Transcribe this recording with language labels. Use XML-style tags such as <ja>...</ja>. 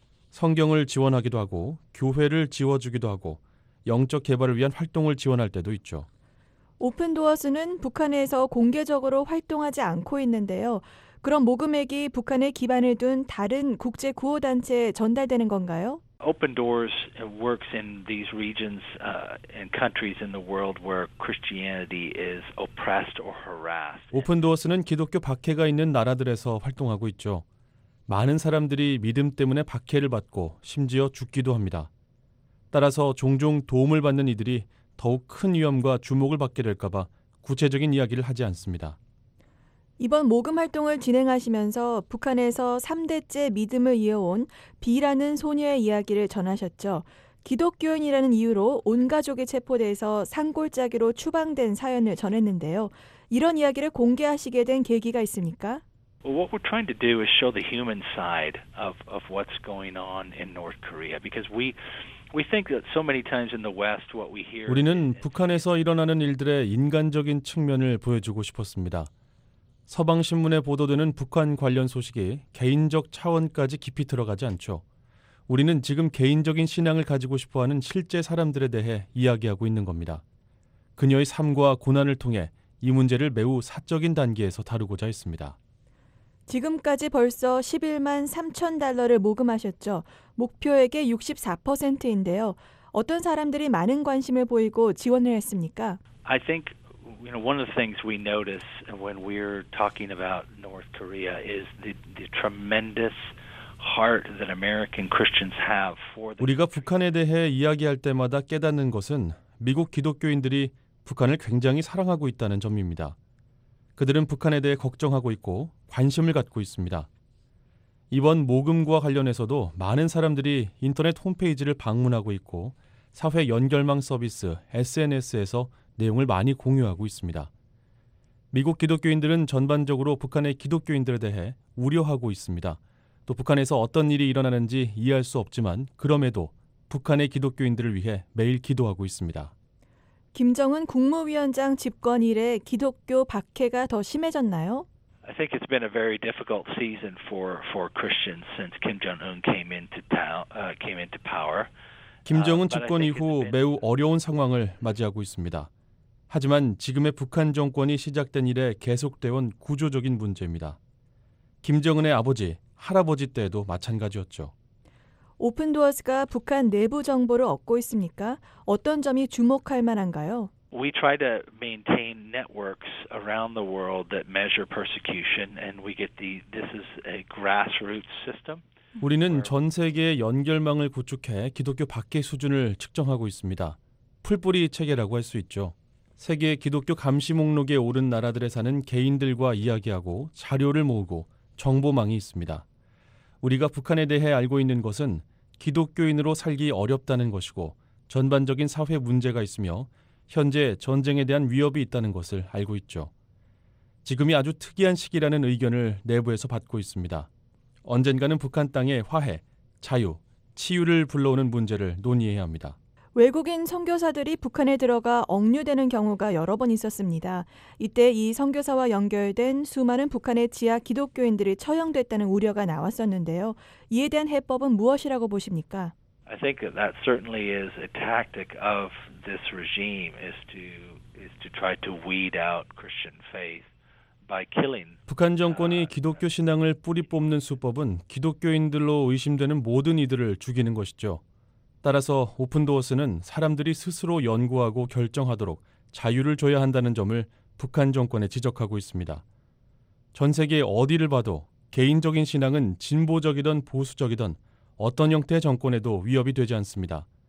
<ko>성경을 지원하기도 하고 교회를 지워주기도 하고 영적 개발을 위한 활동을 지원할 때도 있죠. 오픈도어스는 북한에서 공개적으로 활동하지 않고 있는데요. 그럼 모금액이 북한에 기반을 둔 다른 국제 구호 단체에 전달되는 건가요?</ko> <en>Open Doors works in these regions and countries in the world where Christianity is oppressed or harassed.</en> <ko>오픈도어스는 기독교 박해가 있는 나라들에서 활동하고 있죠. 많은 사람들이 믿음 때문에 박해를 받고 심지어 죽기도 합니다. 따라서 종종 도움을 받는 이들이 더욱 큰 위험과 주목을 받게 될까봐 구체적인 이야기를 하지 않습니다. 이번 모금 활동을 진행하시면서 북한에서 3대째 믿음을 이어온 B라는 소녀의 이야기를 전하셨죠. 기독교인이라는 이유로 온 가족이 체포돼서 산골짜기로 추방된 사연을 전했는데요. 이런 이야기를 공개하시게 된 계기가 있습니까?</ko> <en>What we're trying to do is show the human side of what's going on in North Korea because we think that so many times in the West what we hear</en> <ko>우리는 북한에서 일어나는 일들의 인간적인 측면을 보여주고 싶었습니다. 서방 신문에 보도되는 북한 관련 소식이 개인적 차원까지 깊이 들어가지 않죠. 우리는 지금 개인적인 신앙을 가지고 싶어하는 실제 사람들에 대해 이야기하고 있는 겁니다. 그녀의 삶과 고난을 통해 이 문제를 매우 사적인 단계에서 다루고자 했습니다. 지금까지 벌써 11만 3천 달러를 모금하셨죠. 목표액의 64%인데요. 어떤 사람들이 많은 관심을 보이고 지원을 했습니까?</ko> <en>I think you know one of the things we notice when we're talking about North Korea is the tremendous heart that American Christians have for the</en> <ko>우리가 북한에 대해 이야기할 때마다 깨닫는 것은 미국 기독교인들이 북한을 굉장히 사랑하고 있다는 점입니다. 그들은 북한에 대해 걱정하고 있고 관심을 갖고 있습니다. 이번 모금과 관련해서도 많은 사람들이 인터넷 홈페이지를 방문하고 있고 사회 연결망 서비스 SNS에서 내용을 많이 공유하고 있습니다. 미국 기독교인들은 전반적으로 북한의 기독교인들에 대해 우려하고 있습니다. 또 북한에서 어떤 일이 일어나는지 이해할 수 없지만 그럼에도 북한의 기독교인들을 위해 매일 기도하고 있습니다. 김정은 국무위원장 집권 이래 기독교 박해가 더 심해졌나요?</ko> <en>I think it's been a very difficult season for Christians since Kim Jong-un came into power.</en> <ko>김정은 집권 이후 매우 어려운 상황을 맞이하고 있습니다. 하지만 지금의 북한 정권이 시작된 이래 계속되어 온 구조적인 문제입니다. 김정은의 아버지, 할아버지 때도 마찬가지였죠. 오픈도어스가 북한 내부 정보를 얻고 있습니까? 어떤 점이 주목할 만한가요?</ko> <en>We try to maintain networks around the world that measure persecution and we get the this is a grassroots system.</en> <ko>우리는 전 세계의 연결망을 구축해 기독교 박해 수준을 측정하고 있습니다. 풀뿌리 체계라고 할 수 있죠. 세계 기독교 감시 목록에 오른 나라들에 사는 개인들과 이야기하고 자료를 모으고 정보망이 있습니다. 우리가 북한에 대해 알고 있는 것은 기독교인으로 살기 어렵다는 것이고 전반적인 사회 문제가 있으며 현재 전쟁에 대한 위협이 있다는 것을 알고 있죠. 지금이 아주 특이한 시기라는 의견을 내부에서 받고 있습니다. 언젠가는 북한 땅에 화해, 자유, 치유를 불러오는 문제를 논의해야 합니다. 외국인 선교사들이 북한에 들어가 억류되는 경우가 여러 번 있었습니다. 이때 이 선교사와 연결된 수많은 북한의 지하 기독교인들이 처형됐다는 우려가 나왔었는데요. 이에 대한 해법은 무엇이라고 보십니까?</ko> <en>I think that certainly is a tactic of this regime is to try to weed out Christian faith by killing.</en> <ko>북한 정권이 기독교 신앙을 뿌리 뽑는 수법은 기독교인들로 의심되는 모든 이들을 죽이는 것이죠. 따라서 오픈도어스는 사람들이 스스로 연구하고 결정하도록 자유를 줘야 한다는 점을 북한 정권에 지적하고 있습니다. 전 세계 어디를 봐도 개인적인 신앙은 진보적이든 보수적이든 어떤 형태의 정권에도 위협이 되지 않습니다.</ko>